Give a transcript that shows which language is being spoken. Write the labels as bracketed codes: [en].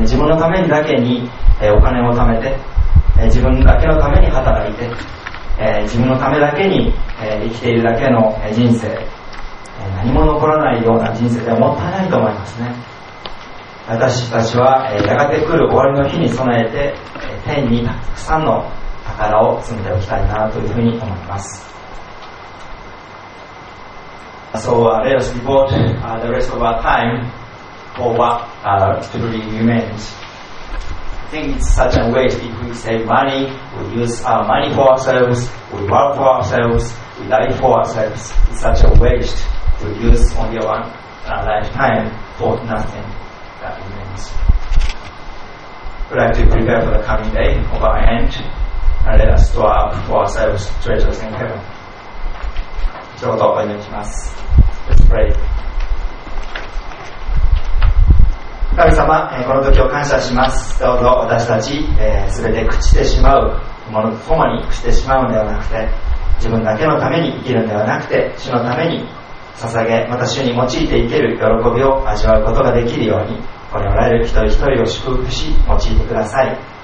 [ja] 自分のためにだけに、お金を貯めて、自分だけのために働いて、自分のためだけに、生きているだけの、人生、何も残らないような人生ではもったいないと思いますね。私たちは、やがて来る終わりの日に備えて、天にたくさんの宝を積んでおきたいなというふうに思います。 [en] So let us devote the rest of our time for what truly remains. I think it's such a waste if we save money, we use our money for ourselves, we work for ourselves, we die for ourselves. It's such a waste to use only one lifetime for nothing that remains. We'd like to prepare for the coming day of our end, and let us store up for ourselves treasures in heaven. [ja] ちょうどお祈りします。 [en] Let's pray. [ja] 神様、この時を感謝します。どうぞ私たち、全て朽ちてしまうものと共に朽ちてしまうのではなくて、自分だけのために生きるのではなくて、主のために捧げ、また主に用いていける喜びを味わうことができるように、これをられる一人一人を祝福し用いてください。